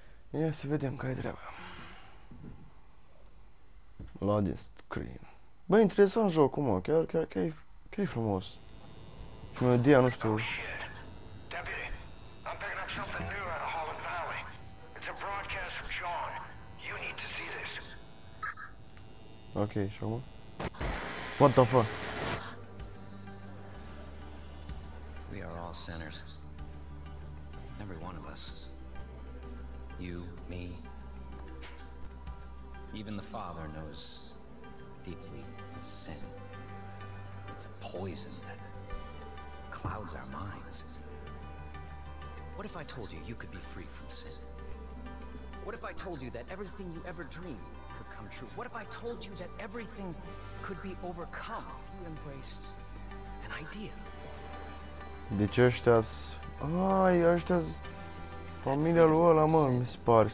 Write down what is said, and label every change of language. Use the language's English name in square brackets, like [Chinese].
[Romanian] Ia să vedem care-i treaba. [English] Loudest scream. [Romanian] Bă, interesant jocul, mă, chiar e frumos. Melodia, nu știu. [English] Deputy, I'm picking up something new out of Holland Valley. It's a broadcast from John. You need to see this. [Romanian] Ok, și acum? [English] What the fuck? We are all sinners. Every one of us. You, me. Even the Father knows deeply of sin. It's a poison that clouds our minds. What if I told you you could be free from sin? What if I told you that everything you ever dreamed could come true? What if I told you that everything could be overcome if you embraced an idea? [Romanian] Deci ăștia-s... Ai, ăștia-s... Familia lui ăla, mă, mi se pare.